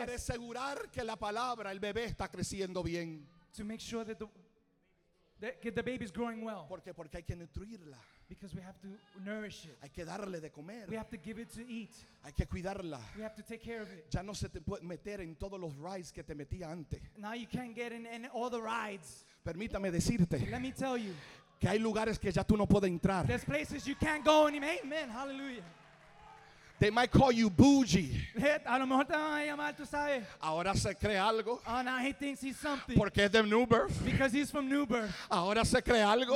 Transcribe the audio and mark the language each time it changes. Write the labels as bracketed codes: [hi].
[es] Para asegurar que la palabra, el bebé está creciendo bien. [en] To make sure that the baby is growing well. [es] Porque hay que nutrirla. [en] Because we have to nourish it. [es] Hay que darle de comer. [en] We have to give it to eat. [es] Hay que cuidarla. [en] We have to take care of it. [es] Ya no se te puede meter en todos los rides que te metía antes. [en] Now you can't get in all the rides. [es] Permítame decirte. [en] Let me tell you. [es] Que hay lugares que ya tú no puedes entrar. [en] There's places you can't go anymore. Amen. Hallelujah. They might call you bougie. [es] A lo mejor te van a llamar, tú sabes. Ahora se cree algo. [en] Oh, now he thinks he's something. [es] Porque es de New Birth. [en] Because he's from New Birth. [es] Ahora se cree algo.